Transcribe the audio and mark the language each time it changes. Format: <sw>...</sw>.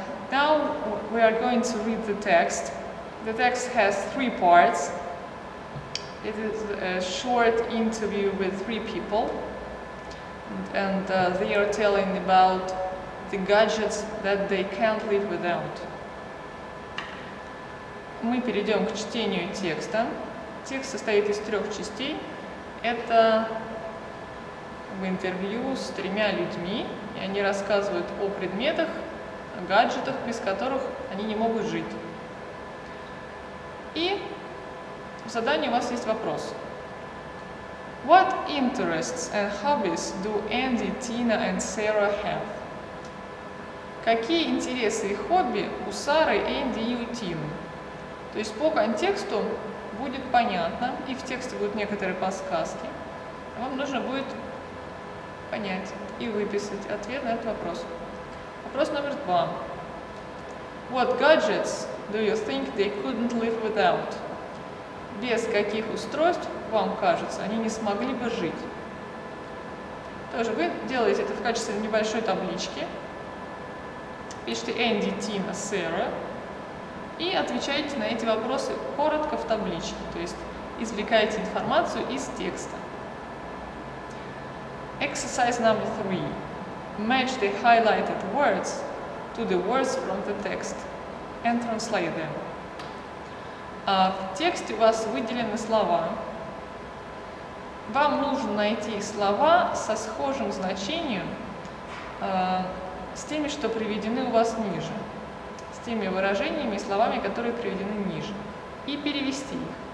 <en>Now we are going to read the text. The text has three parts. It is a short interview with three people, and they are telling about the gadgets that they can't live without.</en> <ru>Мы перейдем к чтению текста. Текст состоит из трех частей. Это интервью с тремя людьми, и они рассказывают о предметах, гаджетах, без которых они не могут жить. И в задании у вас есть вопрос.</ru> <en>What interests and hobbies do Andy, Tina and Sarah have?</en> <ru>Какие интересы и хобби у Сары, Энди и у Тины? То есть по контексту будет понятно, и в тексте будут некоторые подсказки. Вам нужно будет понять и выписать ответ на этот вопрос. Вопрос номер два.</ru> <en>What gadgets do you think they couldn't live without?</en> <ru>Без каких устройств, вам кажется, они не смогли бы жить? Тоже вы делаете это в качестве небольшой таблички. Пишите Andy, Tina, Sarah. И отвечаете на эти вопросы коротко в табличке. То есть извлекаете информацию из текста.</ru> <en>Exercise number 3. Match the highlighted words to the words from the text and translate them.</en> <ru>В тексте у вас выделены слова. Вам нужно найти слова со схожим значением с теми, что приведены у вас ниже, с теми выражениями и словами, которые приведены ниже, и перевести их.</ru>